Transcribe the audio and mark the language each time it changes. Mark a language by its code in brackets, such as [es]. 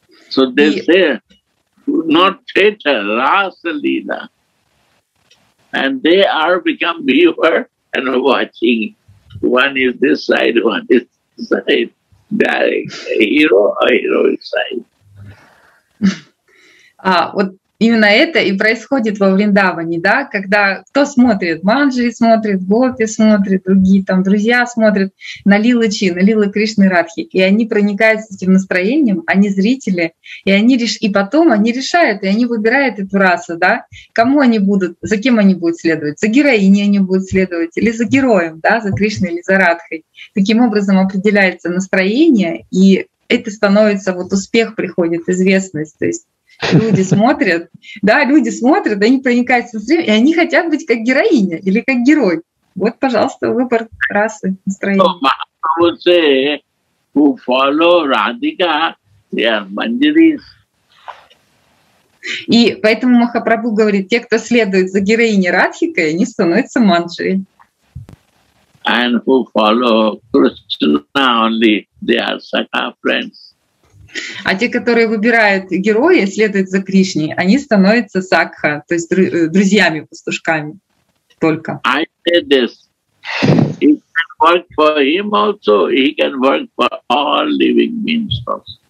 [en] So they say, not theater, Rasa Leela. And they are become viewer and watching. One is this side, one is this side. Direct hero or hero side. [ru] А вот именно это и происходит во Вриндаване, да, когда кто смотрит, Манджари смотрит, Гопи смотрит, другие там друзья смотрят на Лилы Чи, на Лилы Кришны Радхи, и они проникаются этим настроением, они зрители, и они решают, и они выбирают эту расу, да, кому они будут, за кем они будут следовать, за героиней они будут следовать, или за героем, да, за Кришной или за Радхой. Таким образом определяется настроение, и это становится, вот успех приходит, известность, то есть люди смотрят, да, люди смотрят, они проникаются в стрим, и они хотят быть как героиня или как герой. Вот, пожалуйста, выбор расы, настроения. [en] So, Mahaprabhu say, who follow Radhika, they are Manjaris. [ru] И поэтому Махапрабху говорит, те, кто следует за героиней Радхикой, они становятся Манджари. [en] And who follow Krishna only, they are Sakha friends. [ru] А те, которые выбирают героя, следуют за Кришней, они становятся сакха, то есть друзьями, пастушками только. [en] I say this. He can work for him also. He can work for all living beings also.